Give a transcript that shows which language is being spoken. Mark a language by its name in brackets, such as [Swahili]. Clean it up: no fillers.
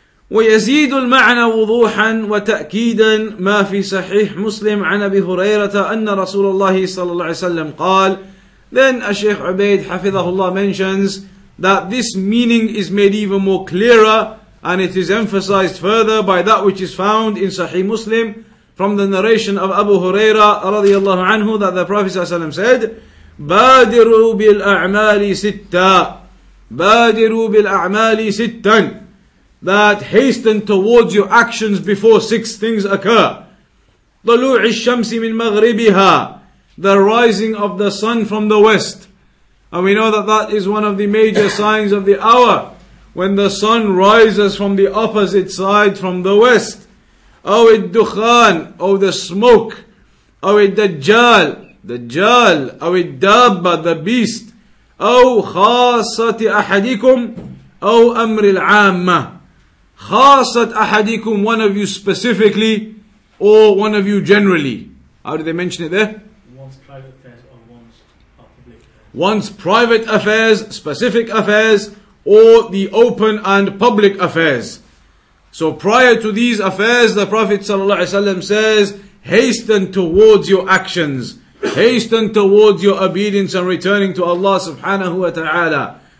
[Arabic] ويزيد المعنى وضوحا وتأكيدا ما في صحيح مسلم عن أبي هريرة أن رسول الله صلى الله عليه وسلم قال. [English] Then Shaykh Ubayd hafizahullah mentions that this meaning is made even more clearer, and it is emphasized further by that which is found in Sahih Muslim from the narration of Abu Huraira radiyallahu anhu, that the Prophet ﷺ said, [Arabic] بَادِرُوا بِالْأَعْمَالِ سِتَّةً, بَادِرُوا بِالْأَعْمَالِ سِتَّةً, [English] that hasten towards your actions before six things occur. [Arabic] طَلُوعِ الشَّمْسِ مِنْ مَغْرِبِهَا, [English] the rising of the sun from the west. And we know that that is one of the major signs of the hour, when the sun rises from the opposite side from the west. [Arabic] أو الدخان, أو [English] the smoke, [Arabic] أو الدجال, دجال, أو الدابة, [English] the beast, [Arabic] أو خاصة أحدكم, أو أمر العامة, خاصة أحدكم, [English] one of you specifically, or one of you generally. How did they mention it there? One's private affairs or one's public affairs. One's private affairs, specific affairs, or the open and public affairs. So prior to these affairs, the Prophet ﷺ says, hasten towards your actions. Hasten towards your obedience and returning to Allah subhanahu wa ta'ala.